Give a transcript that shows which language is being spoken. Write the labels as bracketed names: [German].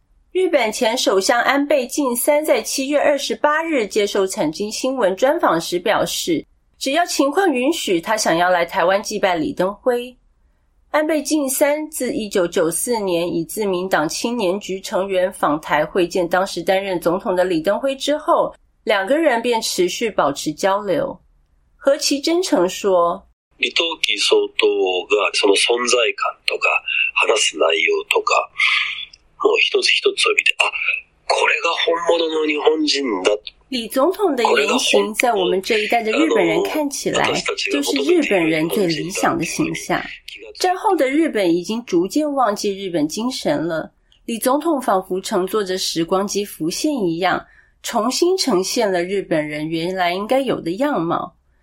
[Chinese] 日本前首相安倍晋三在7月28日接受产经新闻专访时表示，只要情况允许，他想要来台湾祭拜李登辉。安倍晋三自1994年以自民党青年局成员访台会见当时担任总统的李登辉之后，两个人便持续保持交流。何其真诚说， [Japanese] 李登輝総統がその存在感とか話す内容とかもう一つ一つを見て、あ、これが本物の日本人だ。 [Chinese] 李总统的言行在我们这一代的日本人看起来就是日本人最理想的形象。战后的日本已经逐渐忘记日本精神了，李总统仿佛乘坐着时光机浮现一样，重新呈现了日本人原来应该有的样貌。